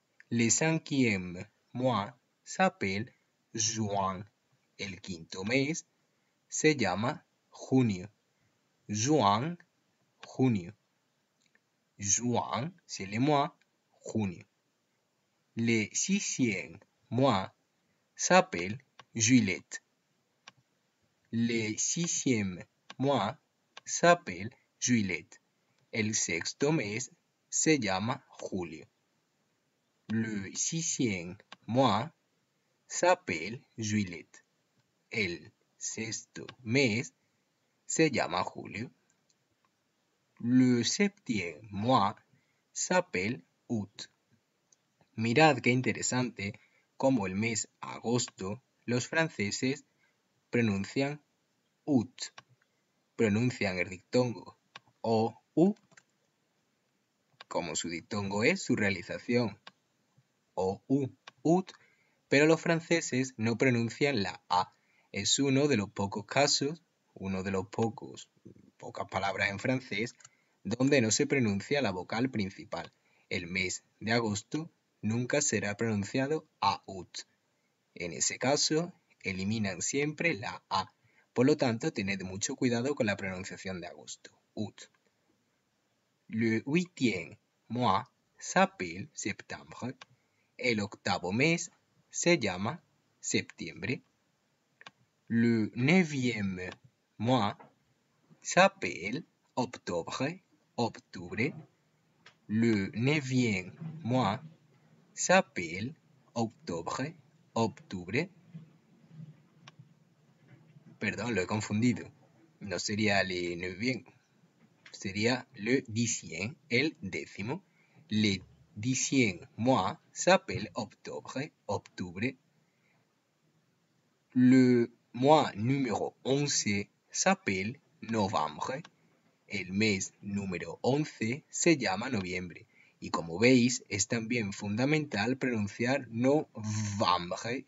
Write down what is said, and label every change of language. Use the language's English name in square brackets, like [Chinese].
[French] Le cinquième mois s'appelle juin. [Spanish] El quinto mes se llama junio. [French] Juin, junio. Juin, c'est le mois, junio. Le sixième mois s'appelle juillet. Le sixième mois s'appelle juillet. [Spanish] El sexto mes se llama julio. [French] Le sixième mois s'appelle juillet. [Spanish] El sexto mes se llama julio. [French] Le septième mois s'appelle août. [Spanish] Mirad qué interesante cómo el mes agosto los franceses pronuncian août. Pronuncian el diptongo o u, como su diptongo es su realización, o u, août, pero los franceses no pronuncian la a. Es uno de los pocos casos, uno de los pocos, pocas palabras en francés, donde no se pronuncia la vocal principal. El mes de agosto nunca será pronunciado août. En ese caso, eliminan siempre la a. Por lo tanto, tened mucho cuidado con la pronunciación de agosto, août. [French] Le huitième mois s'appelle septembre. [Spanish] El octavo mes se llama septiembre. [French] Le neuvième mois s'appelle octobre, octubre. Le neuvième mois s'appelle octobre, octubre. [Spanish] Perdón, lo he confundido. No sería le neuvième, sería le dixième, el décimo. [French] Le dixième mois s'appelle octobre, octubre. Le mois número 11 s'appelle novembre. [Spanish] El mes número 11 se llama noviembre. Y como veis, es también fundamental pronunciar no vamje.